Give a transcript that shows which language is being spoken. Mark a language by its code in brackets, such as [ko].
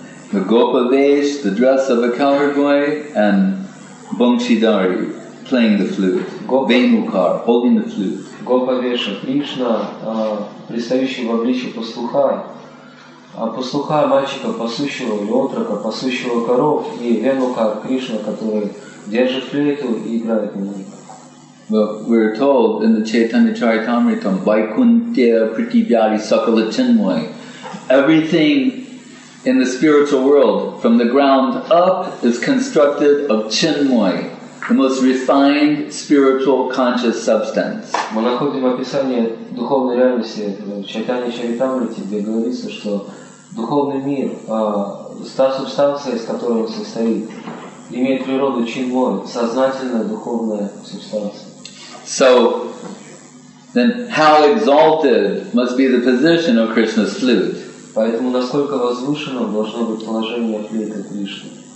[en] The Gopa Vesh, the dress of a cowherd boy, and Bhangshidhari playing the flute. Venukar, holding the flute. [ru] Gopa Vesha, Кришна, предстающий в обличье пастуха, а пастуха, мальчика, пасущего, или отрока, пасущего коров, и венука, Кришна, который держит флейту и играет на ней. [en] But we're told in the Chaitanya Charitamritam, [bn] Vaikunthya Prithivyari Sakala Chinmay, [en] everything in the spiritual world, from the ground up, is constructed of Chinmay, the most refined spiritual conscious substance. [ru] Мы находим описание духовной реальности в Чайтанья Чаритамрите, где говорится, что духовный мир, та субстанция, из которой он состоит, имеет природу чинмой, сознательная духовная субстанция. [en] So, then how exalted must be the position of Krishna's flute? [ru] Поэтому насколько возвышено должно быть положение флейты Кришны?